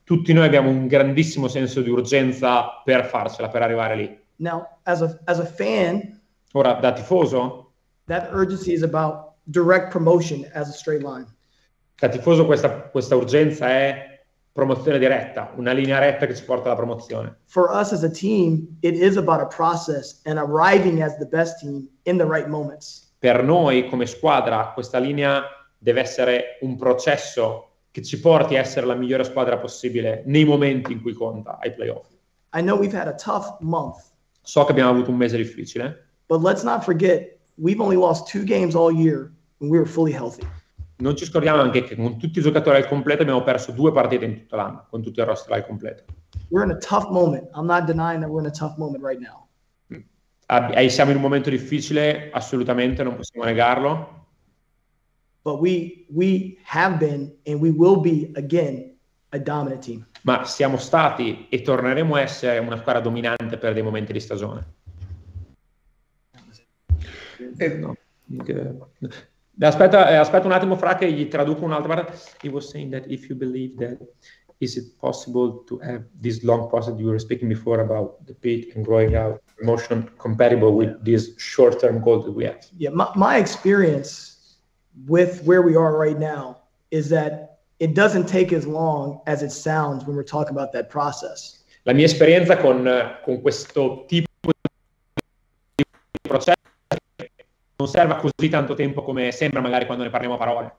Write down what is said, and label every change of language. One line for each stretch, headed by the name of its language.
Italian: Tutti noi abbiamo un grandissimo senso di urgenza per farcela, per arrivare lì.
English: Now, as a fan,
Italian: ora da tifoso,
English: that urgency is about direct promotion as a straight line.
Italian: Da tifoso questa urgenza è promozione diretta, una linea retta che ci porta alla promozione.
English: For us as a team, it is about a process and arriving as the best team in the right moments.
Italian: Per noi come squadra, questa linea deve essere un processo che ci porti a essere la migliore squadra possibile nei momenti in cui conta ai playoff.
English: I know we've had a tough month.
Italian: So che abbiamo avuto un mese difficile.
English: But let's not forget, we've only lost 2 games all year when we were fully healthy.
Italian: Non ci scordiamo anche che con tutti i giocatori al completo abbiamo perso 2 partite in tutto l'anno, con tutto il roster al completo.
English: We're in a tough moment. I'm not denying that we're in a tough moment right now.
Italian: Siamo in un momento difficile, assolutamente, non possiamo negarlo.
English: But we have been and we will be again a dominant team.
Italian: Ma siamo stati e torneremo a essere una squadra dominante per dei momenti di stagione. Aspetta un attimo, Fra, che gli traduco un'altra parte.
English: He was saying that if you believe that, is it possible to have this long process you were speaking before about the pit and growing out motion compatible with this short-term goal that we have? Yeah, my experience with where we are right now is that it doesn't take as long as it sounds when we're talking about that process.
Italian: La mia esperienza con questo tipo di processo non serve così tanto tempo come sembra magari quando ne parliamo a parole.